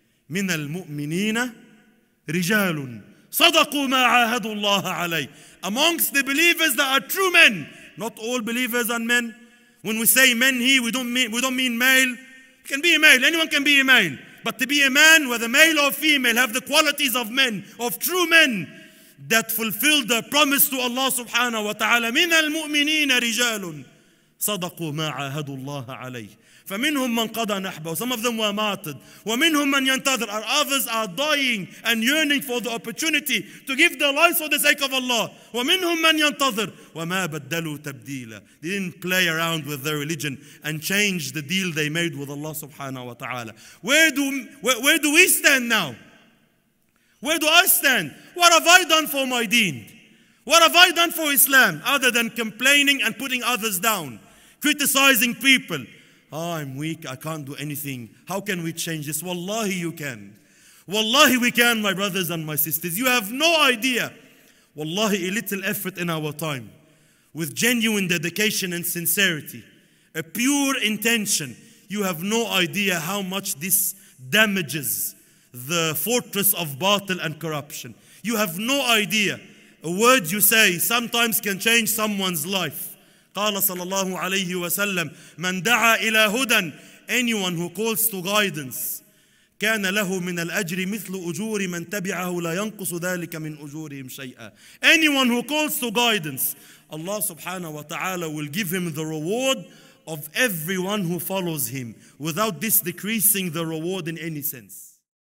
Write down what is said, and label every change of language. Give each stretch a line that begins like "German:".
Arabic: من المؤمنين رجال صدقوا ما عاهدوا الله عليه.
English: Amongst the believers that are true men, not all believers are men. When we say men here, we don't mean male. It can be a male, anyone can be a male. But to be a man, whether male or female, have the qualities of men, of true men, that fulfilled the promise to Allah subhanahu wa ta'ala.
Arabic: من المؤمنين رجال صدقوا ما عاهدوا الله عليه. فَمِنْهُمْ مَنْ قَضَى نَحْبَهُ.
English: Some of them were martyred.
Arabic: وَمِنْهُمْ مَنْ يَنْتَظِرُ.
English: Our others are dying and yearning for the opportunity to give their lives for the sake of Allah.
Arabic: وَمِنْهُمْ مَنْ يَنْتَظِرُ. وَمَا بَدَّلُوا تَبْدِيلًا.
English: They didn't play around with their religion and change the deal they made with Allah subhanahu wa ta'ala. Where do we stand now? Where do I stand? What have I done for my deen? What have I done for Islam other than complaining and putting others down, criticizing people? Oh, I'm weak, I can't do anything. How can we change this? Wallahi, you can. Wallahi, we can, my brothers and my sisters. You have no idea. Wallahi, a little effort in our time, with genuine dedication and sincerity, a pure intention, you have no idea how much this damages the fortress of batil and corruption. You have no idea. A word you say sometimes can change someone's life.
Arabic: قال صلى الله عليه وسلم من دعا إلى هدى.
English: Anyone who calls to guidance,
Arabic: كان له من الأجر مثل أجور من تبعه لا ينقص ذلك من أجورهم شيئا.
English: Anyone who calls to guidance, Allah subhanahu wa ta'ala will give him the reward of everyone who follows him, without this decreasing the reward in any sense.